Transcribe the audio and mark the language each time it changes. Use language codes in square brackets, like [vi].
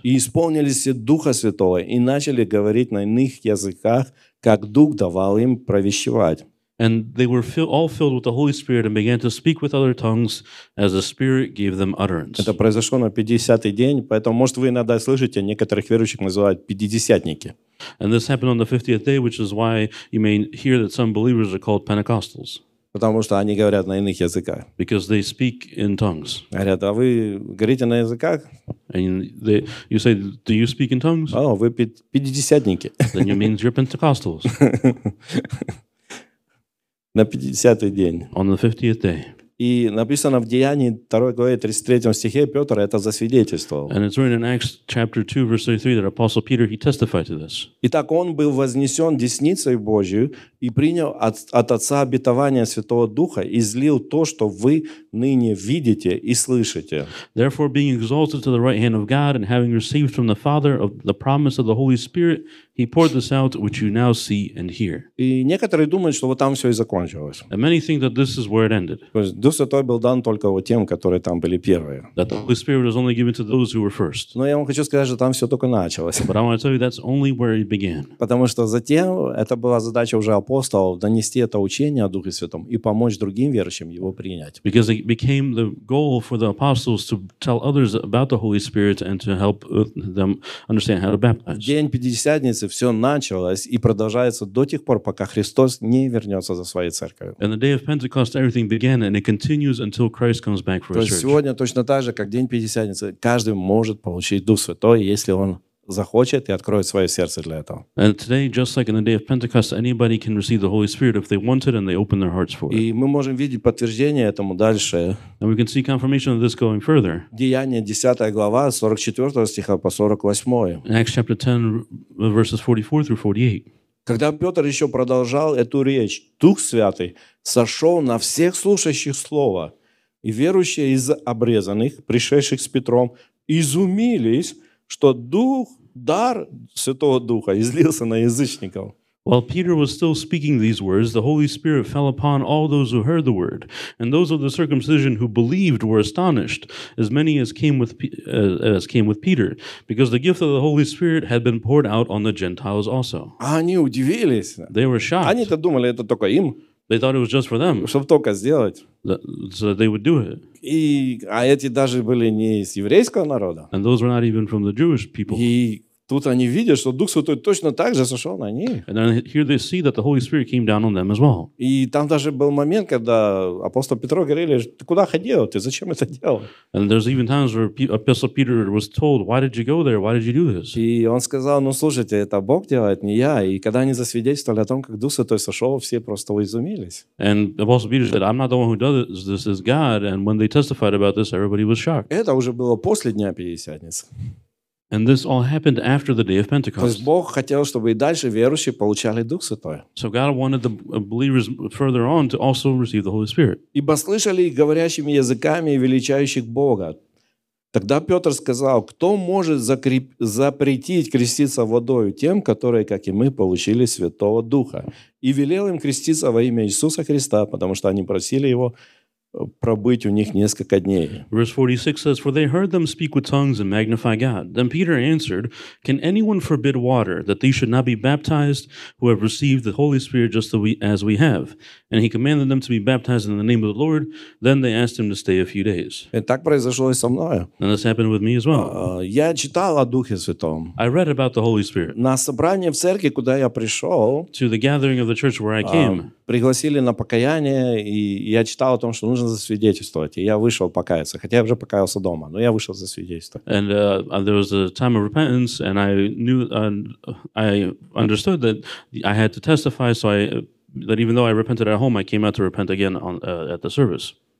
[ru] И исполнились все Духа Святого и начали говорить на иных языках, как Дух давал им провещевать. [en] And they were all filled with the Holy Spirit and began to speak with other tongues as the Spirit gave them utterance. [ru] Это произошло на 50-й день, поэтому, может, вы иногда слышите, некоторых верующих называют пятидесятники. [en] And this happened on the 50th day, which is why you may hear that some believers are called Pentecostals. [ru] Потому что они говорят на иных языках. [en] Because they speak in tongues. [ru] Говорят, а вы говорите на языках? [en] And you say, do you speak in tongues? [ru] О, вы пятидесятники. [en] Then you mean you're Pentecostals. [ru] На 50-й день. [en] On the 50th day. [ru] И написано в Деянии 2 главе 33 стихе, Петр это засвидетельствовал. [en] And it's written in Acts chapter 2 verse 33 that Apostle Peter, he testified to this. [ru] Итак, он был вознесен десницей Божию и принял от Отца обетование Святого Духа и излил то, что вы ныне видите и слышите. [en] Therefore, being exalted to the right hand of God and having received from the Father of the promise of the Holy Spirit, he poured this out, which you now see and hear. [ru] И некоторые думают, что вот там все и закончилось. [en] And many think that this is where it ended. [ru] Дух Святой был дан только вот тем, которые там были первые. [en] That the Holy Spirit was only given to those who were first. [ru] Но я вам хочу сказать, что там все только началось. [en] But I want to tell you that's only where it began. [ru] Потому что затем это была задача уже апостолов донести это учение о Духе Святом и помочь другим верующим его принять. [en] Because it became the goal for the apostles to tell others about the Holy Spirit and to help them understand how to baptize. [ru] День Пятидесятницы все началось и продолжается до тех пор, пока Христос не вернется за своей церковью. [en] And the day of Pentecost, everything began. And it continues until Christ comes back for his church. [ru] То есть сегодня точно так же, как день Пятидесятницы, каждый может получить Дух Святой, если он захочет и откроет свое сердце для этого. [en] And today, just like in the day of Pentecost, anybody can receive the Holy Spirit if they want it and they open their hearts for it. [ru] И мы можем видеть подтверждение этому дальше. [en] And we can see confirmation of this going further. [ru] Деяния 10 глава, 44 стиха по 48. [en] In Acts chapter 10, verses 44 through 48. [ru] Когда Петр еще продолжал эту речь, Дух Святый сошел на всех слушающих слово, и верующие из обрезанных, пришедших с Петром, изумились, что Дух, дар Святого Духа излился на язычников. [en] While Peter was still speaking these words, the Holy Spirit fell upon all those who heard the word, and those of the circumcision who believed were astonished, as many as came with Peter, because the gift of the Holy Spirit had been poured out on the Gentiles also. [ru] Они удивились. [en] They were shocked. [ru] Они-то думали, это только им. [en] They thought it was just for them. [ru] Чтобы только сделать. [en] So that they would do it. [ru] И, а эти даже были не из еврейского народа. [en] And those were not even from the Jewish people. [ru] И тут они видят, что Дух Святой точно так же сошел на них. [en] And then here they see that the Holy Spirit came down on them as well. [ru] И там даже был момент, когда апостол Петро говорили, ты куда ходил, ты зачем это делал? [en] And there's even times where Apostle Peter was told, why did you go there, why did you do this? [ru] И он сказал, ну слушайте, это Бог делает, не я. И когда они засвидетельствовали о том, как Дух Святой сошел, все просто изумились. [en] And Apostle Peter said, I'm not the one who does this, this is God. And when they testified about this, everybody was shocked. [ru] Это уже было после Дня Пятидесятницы. [en] And this all happened after the day of Pentecost. [ru] То есть Бог хотел, чтобы и дальше верующие получали Дух Святой. [en] So God wanted the believers further on to also receive the Holy Spirit. [ru] Ибо слышали их говорящими языками и величающих Бога. Тогда Петр сказал: кто может запретить креститься водою тем, которые, как и мы, получили Святого Духа? И велел им креститься во имя Иисуса Христа, потому что они просили его пробыть у них несколько дней. [en] Verse 46 says, for they heard them speak with tongues and magnify God. Then Peter answered, can anyone forbid water, that they should not be baptized who have received the Holy Spirit just as we have? And he commanded them to be baptized in the name of the Lord. Then they asked him to stay a few days. [ru] И так произошло и со мною. [en] And this happened with me as well. [ru] Я читал о Духе Святом. [en] I read about the Holy Spirit. [ru] На собрание в церкви, куда я пришел, [en] to the gathering of the church where I came, [ru] пригласили на покаяние, и я читал о том, что нужно засвидетельствовать. И я вышел покаяться, хотя я уже покаялся дома, но я вышел засвидетельствовать. [en] And there was a time of repentance, and I knew, I understood that I had to testify, so I, that even though I repented at home, I came out to repent again on, at the service.